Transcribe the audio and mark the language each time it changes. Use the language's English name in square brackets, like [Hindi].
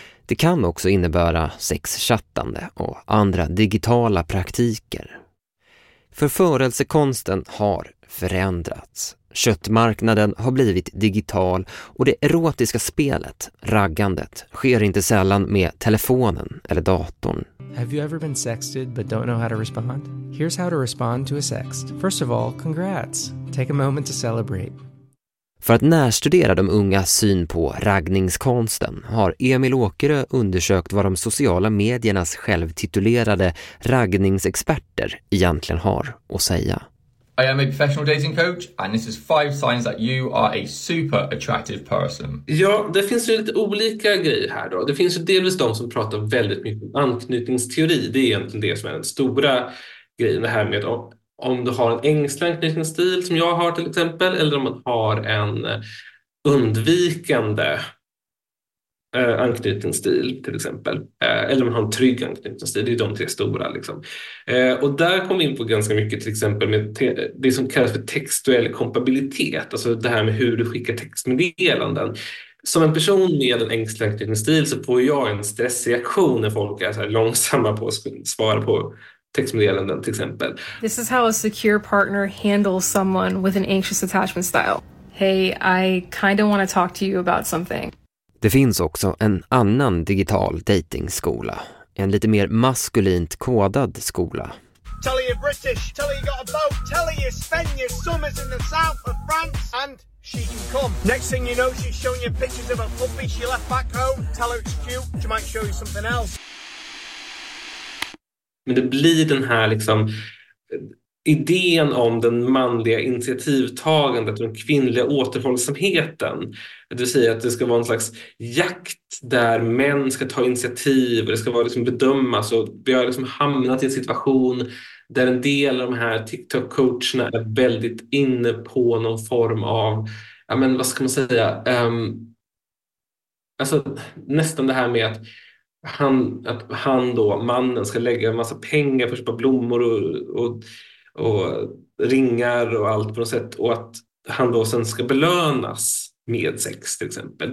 [Swedish] Det kan också innebära sexchattande och andra digitala praktiker. Förförelsekonsten har förändrats. Köttmarknaden har blivit digital och det erotiska spelet, raggandet, sker inte sällan med telefonen eller datorn. [English] Have you ever been sexted but don't know how to respond? Here's how to respond to a sext. First of all, congrats. Take a moment to celebrate. [Swedish] För att närstudera de unga syn på raggningskonsten har Emil Åkerö undersökt vad de sociala mediernas självtitulerade raggningsexperter egentligen har att säga. [English] I am a professional dating coach and this is 5 signs that you are a super attractive person. [Swedish] Ja, det finns ju lite olika grejer här då. Det finns ju delvis de som pratar väldigt mycket om anknytningsteori. Det är egentligen det som är den stora grejen, det här med att om du har en ängslig anknytningsstil som jag har till exempel, eller om man har en undvikande anknytningsstil till exempel, eller om man har en trygg anknytningsstil, det är de tre stora liksom. Och där kommer vi in på ganska mycket till exempel med det som kallas för textuell kompatibilitet, alltså det här med hur du skickar textmeddelanden. Som en person med en ängslig anknytningsstil så får jag en stressreaktion när folk är så här långsamma på att svara på textmeddelanden till exempel. [English] This is how a secure partner handles someone with an anxious attachment style. Hey, I kind of want to talk to you about something. [Swedish] Det finns också en annan digital datingskola, en lite mer maskulint kodad skola. [English] Tell you British, tell you got a boat, tell you spend your summers in the south of France and she can come. Next thing you know she's showing you pictures of a puppy she left back home. Tell her it's cute, she might show you something else. [Swedish] Men det blir den här liksom idén om den manliga initiativtagandet och den kvinnliga återhållsamheten. Det vill säga att det ska vara en slags jakt där män ska ta initiativ och det ska vara liksom bedömas. Och vi har liksom hamnat i en situation där en del av de här TikTok-coacherna är väldigt inne på någon form av, ja men vad ska man säga, alltså nästan det här med att han då, mannen, ska lägga en massa pengar för att köpa blommor och ringar och allt på något sätt, och att han då sen ska belönas med sex till exempel.